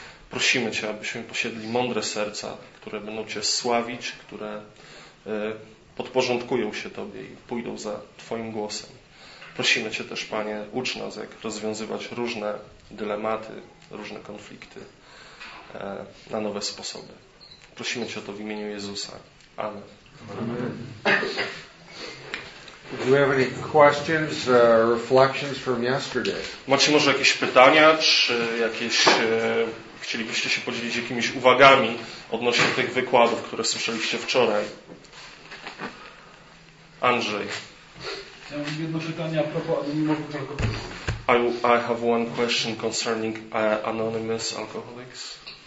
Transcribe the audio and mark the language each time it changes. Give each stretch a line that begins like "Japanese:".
Polish: Prosimy Cię, abyśmy posiedli mądre serca, które będą Cię sławić, które podporządkują się Tobie i pójdą za Twoim głosem. Prosimy Cię też, Panie, ucz nas, jak rozwiązywać różne dylematy, różne konflikty na nowe sposoby. Prosimy Cię o to w imieniu Jezusa. Amen.
English: Amen. Do you have any questions, reflections from yesterday?
Polish: Macie może jakieś pytania, czy jakieś chcielibyście się podzielić jakimiś uwagami odnośnie tych wykładów, które słyszeliście wczoraj? Andrzej. Ja mam jedno pytanie a propos anonimowych alkoholików.
English: I have one question concerning anonymous alcoholics.